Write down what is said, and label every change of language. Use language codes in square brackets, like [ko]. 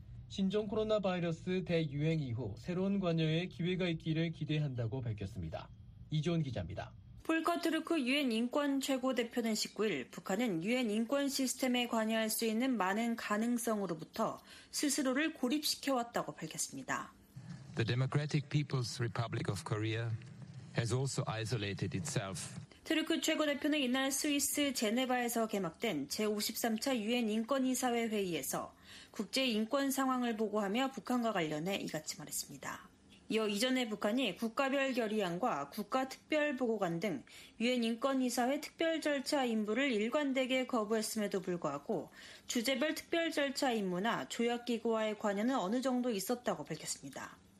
[ko] 신종 코로나 바이러스 대유행 이후 새로운 관여에 기회가 있기를 기대한다고 밝혔습니다. 이지원 기자입니다. 폴커 트루크 유엔 인권 최고 대표는 19일 북한은 유엔 인권 시스템에 관여할 수 있는 많은 가능성으로부터 스스로를 고립시켜 왔다고 밝혔습니다. [en] The Democratic People's Republic of Korea has also isolated itself. [ko] 트루크 최고 대표는 이날 스위스 제네바에서 개막된 제53차 유엔 인권이사회 회의에서 국제 인권 상황을 보고하며 북한과 관련해 이같이 말했습니다. 이어 이전에 북한이 국가별 결의안과 국가특별보고관 등 유엔 인권이사회 특별 절차 임무를 일관되게 거부했음에도 불구하고 주제별 특별 절차 임무나 조약기구와의 관여는 어느 정도 있었다고 밝혔습니다.